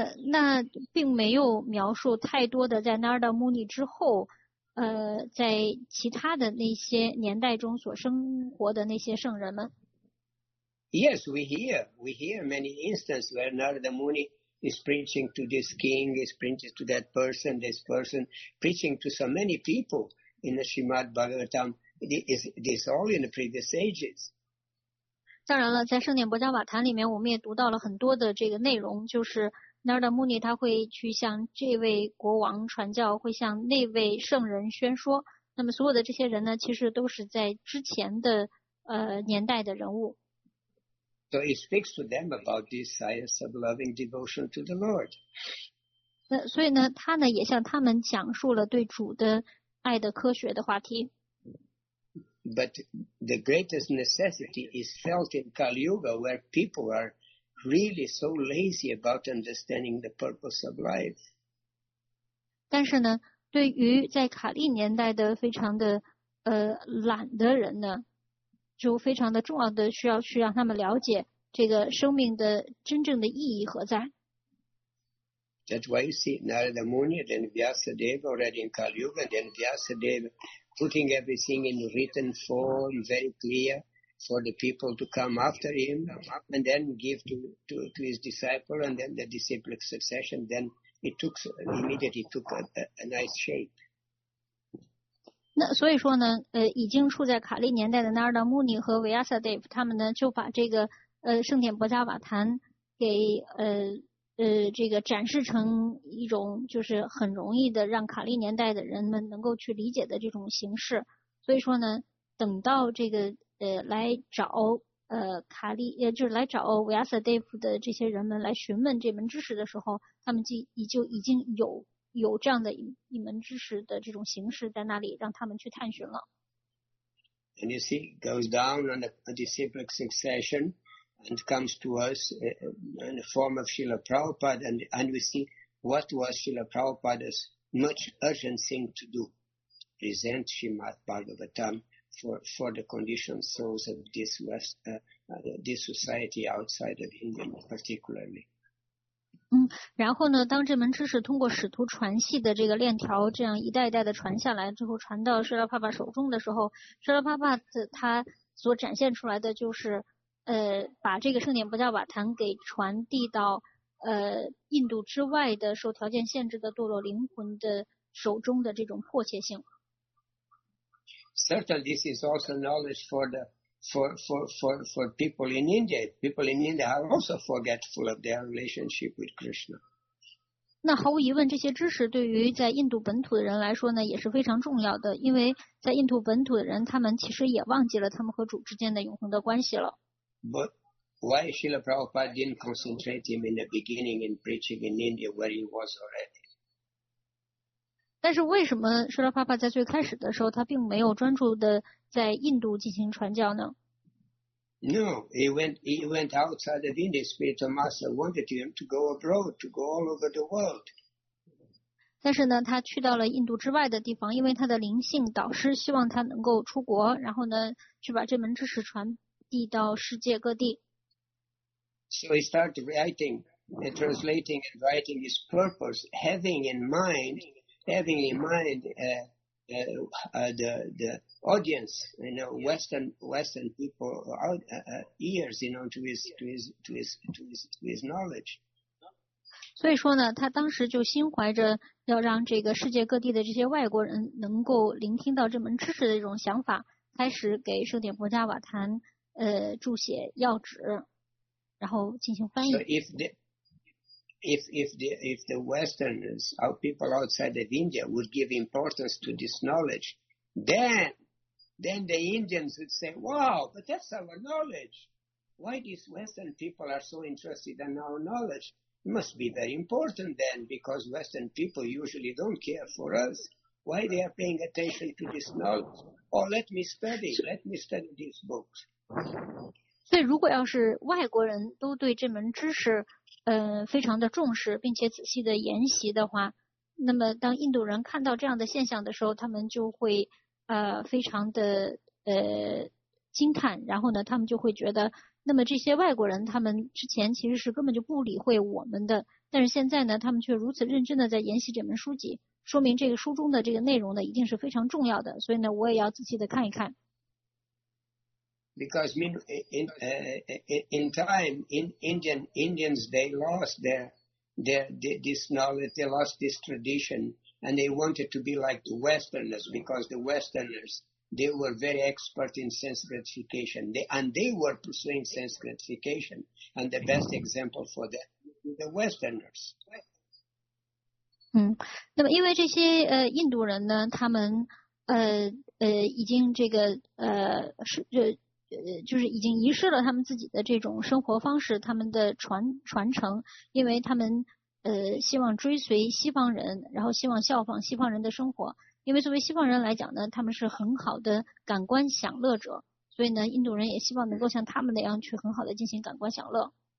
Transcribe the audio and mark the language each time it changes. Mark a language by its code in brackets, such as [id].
[zh] 那并没有描述太多的在 Narada Muni 之后在其他的那些年代中所生活的那些圣人们。 [en] Yes, we hear many instances where Narada Muni is preaching to this king, is preaching to this person, preaching to so many people in the Srimad Bhagavatam. It is all in the previous ages. [zh] 当然了，在圣典博迦瓦坛里面，我们也读到了很多的这个内容，就是 Narada Muni 他会去向这位国王传教，会向那位圣人宣说。那么所有的这些人呢，其实都是在之前的年代的人物。 [en] So he speaks to them about this science of loving devotion to the Lord. [zh] 所以呢，他呢也向他们讲述了对主的爱的科学的话题。 [en] But the greatest necessity is felt in Kali Yuga, where people are really so lazy about understanding the purpose of life. [zh] 但是呢，对于在卡利年代的非常的懒的人呢。就非常的重要的需要去让他们了解这个生命的真正的意义何在。 [en] That's why you see Narada Muni, then Vyasadeva already in Kali Yuga, then Vyasadeva putting everything in written form very clear for the people to come after him and then give to his disciple and then the disciple succession, then it immediately took a nice shape. [zh] 那所以说呢，已经处在卡利年代的纳尔达穆尼和维亚萨德夫，他们呢就把这个圣典博迦瓦坛给这个展示成一种就是很容易的让卡利年代的人们能够去理解的这种形式。所以说呢，等到这个来找卡利就是来找维亚萨德夫的这些人们来询问这门知识的时候，他们已经有这样的一门知识的这种形式在那里让他们去探寻了。 [en] And you see, goes down on the disciple succession and comes to us in the form of Srila Prabhupada and we see what was Srila Prabhupada's much urgent thing to do. Present Srimad Bhagavatam for the conditioned souls of this West, this society outside of India particularly. [zh] 然后呢，当这门知识通过使徒传系的这个链条，这样一代一代的传下来之后，传到舍勒帕帕手中的时候，舍勒帕帕他所展现出来的就是，把这个圣典不叫瓦坛给传递到印度之外的受条件限制的堕落灵魂的手中的这种迫切性。 [en] Certainly, this is also knowledge for people in India. People in India are also forgetful of their relationship with Krishna. [zh] 那毫无疑问，这些知识对于在印度本土的人来说呢，也是非常重要的。因为在印度本土的人，他们其实也忘记了他们和主之间的永恒的关系了。 [en] But why Srila Prabhupada didn't concentrate him in the beginning in preaching in India where he was already? [zh] 但是为什么舍勒帕帕在最开始的时候他并没有专注的在印度进行传教呢 [en] ？No, he went outside of India. Spiritual master wanted him to go abroad, to go all over the world. [zh] 但是呢，他去到了印度之外的地方，因为他的灵性导师希望他能够出国，然后呢，去把这门知识传递到世界各地。 [en] So he started writing, translating and writing his purpose, having in mind, the audience, you know, Western people, ears, you know, to his knowledge. [zh] 所以说呢，他当时就心怀着要让这个世界各地的这些外国人能够聆听到这门知识的一种想法，开始给圣典伯加瓦坛注写要旨，然后进行翻译。 [en] So if the Westerners, our people outside of India, would give importance to this knowledge, then the Indians would say, "Wow, but that's our knowledge. Why these Western people are so interested in our knowledge? It must be very important then, because Western people usually don't care for us. Why they are paying attention to this knowledge? Oh, let me study these books." [zh] 所以，如果要是外国人都对这门知识非常的重视，并且仔细的研习的话，那么当印度人看到这样的现象的时候，他们就会非常的惊叹，然后呢，他们就会觉得，那么这些外国人他们之前其实是根本就不理会我们的，但是现在呢，他们却如此认真的在研习这门书籍，说明这个书中的这个内容呢一定是非常重要的，所以呢，我也要仔细的看一看。 [en] Because in time, Indians, they lost this knowledge, they lost this tradition, and they wanted to be like the Westerners, because the Westerners, they were very expert in Sanskritification, and they were pursuing Sanskritification, and the best example for them, the Westerners. [zh] 那么因为这些印度人呢，他们已经这个就是已经遗失了他们自己的这种生活方式，他们的传承，因为他们希望追随西方人，然后希望效仿西方人的生活，因为作为西方人来讲呢，他们是很好的感官享乐者，所以呢，印度人也希望能够像他们那样去很好的进行感官享乐。